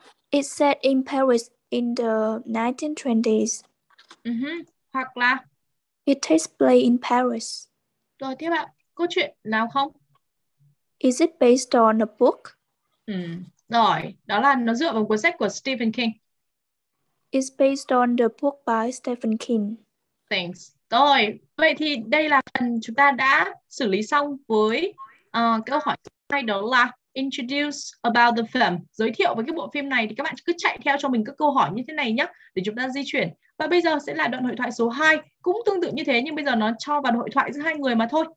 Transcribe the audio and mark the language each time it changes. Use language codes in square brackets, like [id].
[en] It's set in Paris in the 1920s. [vi] Hoặc là? [en] It takes place in Paris. [vi] Rồi, tiếp ạ, câu chuyện nào không? [en] Is it based on a book? [vi] Rồi, đó là nó dựa vào cuốn sách của Stephen King. [en] It's based on the book by Stephen King. Thanks. [vi] Rồi, vậy thì đây là phần chúng ta đã xử lý xong với câu hỏi hai, đó là [en] introduce about the film, [vi] giới thiệu với cái bộ phim này. Thì các bạn cứ chạy theo cho mình các câu hỏi như thế này nhé, để chúng ta di chuyển. Và bây giờ sẽ là đoạn hội thoại số 2. Cũng tương tự như thế nhưng bây giờ nó cho vào hội thoại giữa hai người mà thôi.